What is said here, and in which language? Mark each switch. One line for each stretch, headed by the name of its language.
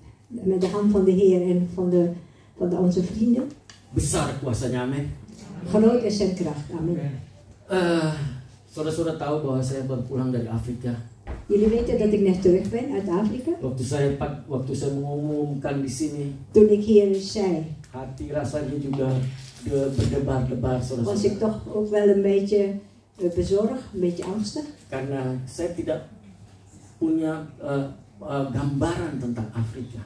Dutch: Met de hand van de Heer en van de onze vrienden.
Indonesian: Besar kuasanya, amen.
Dutch: Groot is zijn kracht, amen.
Indonesian: Saudara-saudara tahu bahwa saya baru pulang dari Afrika.
Dutch: Jullie weten dat ik net terug ben uit Afrika.
Indonesian: Waktu saya mengumumkan di sini.
Dutch: Toen ik hier zei.
Indonesian: Hati rasanya juga berdebar-debar, saudara-saudara.
Dutch: Was ik toch ook wel een beetje bezorgd, een beetje angstig.
Indonesian: Karena saya tidak punya gambaran tentang Afrika.